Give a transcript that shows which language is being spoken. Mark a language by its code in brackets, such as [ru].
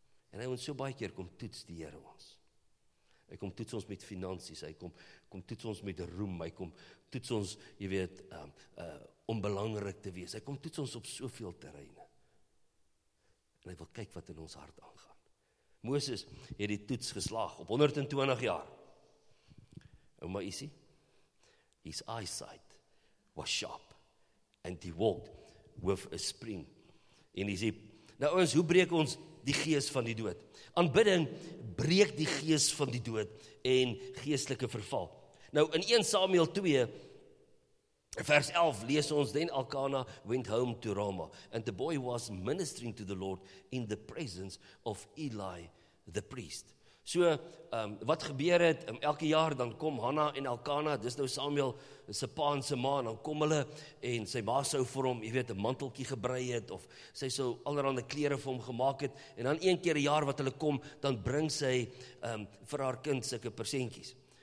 [af] En hy ons so baie keer kom toets die Here ons. Hy kom toets ons met finansies, hy kom toets ons met roem, hy kom toets ons, jy weet, om belangrik te wees. Hy kom toets ons op soveel terreine. En hy wil kyk wat in ons hart aangaan. Moses het die toets geslaag op 120 jaar. [en] Ouma Isie, his eyesight was sharp and he walked with a spring. [af] En hy sê, nou ons, hoe breek ons die gees van die dood? Aanbidding breek die gees van die dood en geestelike verval. Nou in 1 Samuel 2 vers 11 lees ons, [en] then Elkanah went home to Ramah and the boy was ministering to the Lord in the presence of Eli the priest. [af] So, wat gebeur het, elke jaar dan kom Hanna en Elkana, dis nou Samuel se pa en se ma, dan kom hulle en sy ma sou vir hom, jy weet, 'n manteltjie gebrei het, of sy sou allerhande klere vir hom gemaak het, en dan een keer 'n jaar wat hulle kom, dan bring sy vir haar kind sulke persentjies.